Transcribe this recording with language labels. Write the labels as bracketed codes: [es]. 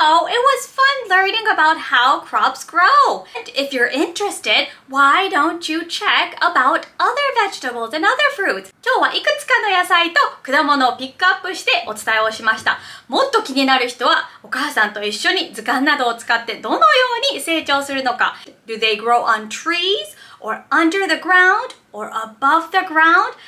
[en] Oh, it was fun learning about how crops grow. And if you're interested, why don't you check about other vegetables and other fruits? [ja] 今日はいくつかの野菜と果物をピックアップしてお伝えをしました。もっと気になる人はお母さんと一緒に図鑑などを使ってどのように成長するのか。 [en] Do they grow on trees or under the ground or above the ground?